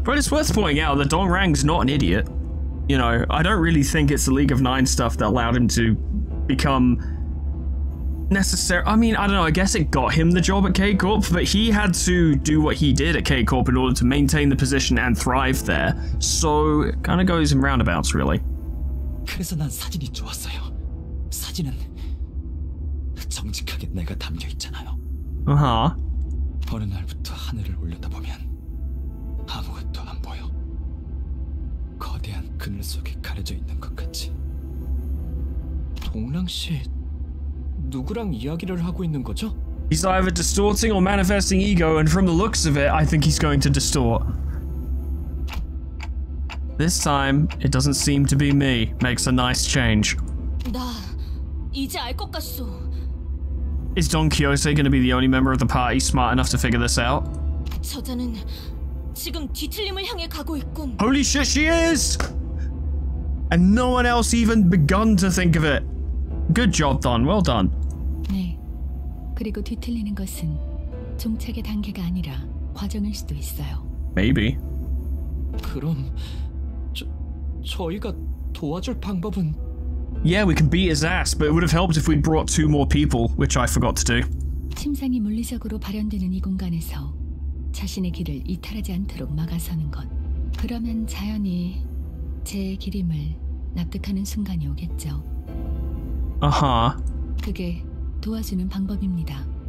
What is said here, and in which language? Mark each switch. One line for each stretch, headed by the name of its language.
English: But it's worth pointing out that Dong Rang's not an idiot. You know, I don't really think it's the League of Nine stuff that allowed him to become... necessary. I mean, I don't know, I guess it got him the job at K-Corp, but he had to do what he did at K-Corp in order to maintain the position and thrive there. So, it kind of goes in roundabouts, really.
Korean: 그래서 난 사진이 좋았어요. 사진은 정직하게 내가 담겨 있잖아요. 아하. 어느 날부터 하늘을 올려다 보면 아무것도 안 보여. 거대한 그늘 속에 가려져 있는 것 같지. 동랑 씨 누구랑 이야기를 하고 있는 거죠?
English: He's either distorting or manifesting ego, and from the looks of it, I think he's going to distort. This time, it doesn't seem to be me. Makes a nice change.
Korean: 나 이제 알 것 같소.
English: Is Don Quixote going to be the only member of the party smart enough to figure this out?
Korean: 저자는 지금 뒤틀림을 향해 가고 있군.
English: Holy shit, she is! And no one else even begun to think of it. Good job, Don. Well done.
Korean: 네. 그리고 뒤틀리는 것은 종착의 단계가 아니라 과정일 수도 있어요.
English: Maybe.
Korean: 그럼 저희가 도와줄 방법은?
English: Yeah, we can beat his ass, but it would have helped if we'd brought two more people, which I forgot to do.
Korean: 침상이 물리적으로 발현되는 이 공간에서 자신의 길을 이탈하지 않도록 막아서는 것. 그러면 자연히 제 길임을 납득하는 순간이 오겠죠.
English: Uh-huh.
Korean: 그게 도와주는 방법입니다.